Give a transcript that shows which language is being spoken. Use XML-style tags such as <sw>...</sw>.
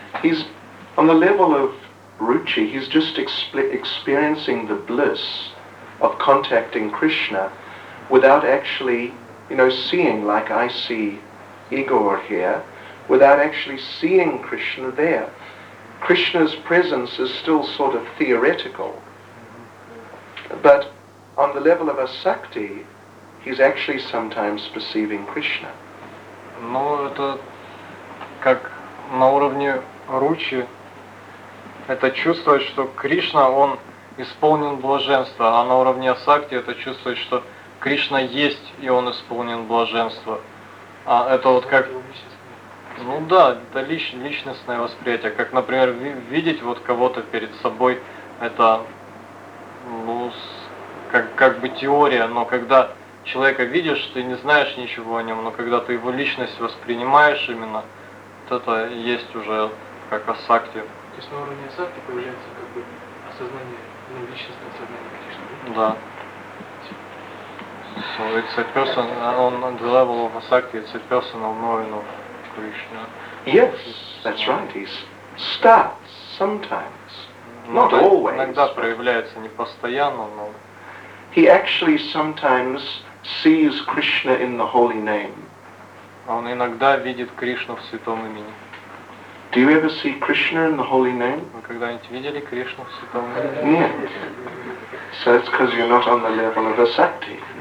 <en>He's on the level of ruchi. He's just experiencing the bliss of contacting Krishna without actually, you know, seeing, like I see Igor here, without actually seeing Krishna there. Krishna's presence is still sort of theoretical. But on the level of asakti, he's actually sometimes perceiving Krishna.</en> <ru>Ну, это как на уровне ручи, это чувствует, что Кришна, он исполнен блаженства, а на уровне асакти это чувствует, что Кришна есть, и он исполнен блаженства. А это вот как... Ну да, это личностное восприятие. Как, например, видеть вот кого-то перед собой, это, ну, как бы теория. Но когда человека видишь, ты не знаешь ничего о нем, но когда ты его личность воспринимаешь именно, вот это есть уже как асакти. То есть на уровне асакти появляется как бы осознание, ну, личностное осознание Кришны. Да.</ru> <en>So it's a person on the level of asakti, it's a personal knowing of Krishna. Yes, that's right. He starts sometimes. Not always.</en> <ru>Иногда проявляется не постоянно, но</ru> <en>he actually sometimes sees Krishna in the holy name.</en> <ru>Он иногда видит Кришну в святом имени.</ru> <en>Do you ever see Krishna in the holy name?</en> <ru>Вы когда-нибудь видели Кришну в святом имени? Нет.</ru> <en>So it's because you're not on the level of a sati.</en>